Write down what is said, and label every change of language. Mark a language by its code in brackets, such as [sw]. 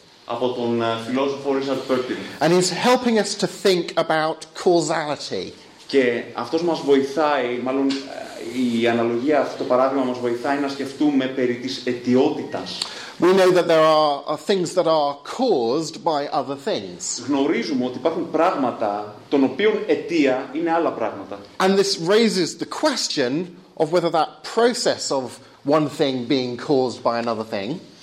[el] Από τον φιλόσοφο Richard Pertil. [en] And he's helping us to think about causality. [el] Και αυτός μας βοηθάει, μάλλον η αναλογία, αυτό το παράδειγμα μας βοηθάει να σκεφτούμε περί της αιτιότητας. [en] We know that there are things that are caused by other things. [el] Γνωρίζουμε ότι υπάρχουν πράγματα των οποίων αιτία είναι άλλα πράγματα. [en] And this raises the question of whether that process of one thing being caused by another thing.